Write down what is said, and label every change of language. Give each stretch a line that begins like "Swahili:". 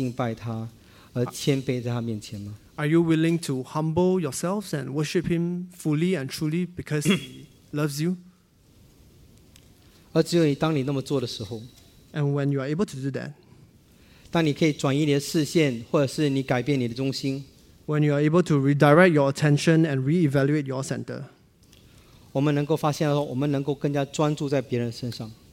Chinese: 你愿意因为他如此完美自足的上帝，他却这样爱你，而单单敬拜他，而谦卑在他面前吗?
English: Are you willing to humble yourselves and worship him fully and truly because he loves you?
Chinese: 而只有你当你那么做的时候,
English: and when you are able to do that,
Chinese: 当你可以转移你的视线，或者是你改变你的中心,
English: when you are able to redirect your attention and reevaluate your center,
Chinese: 我们能够发现，我们能够更加专注在别人身上。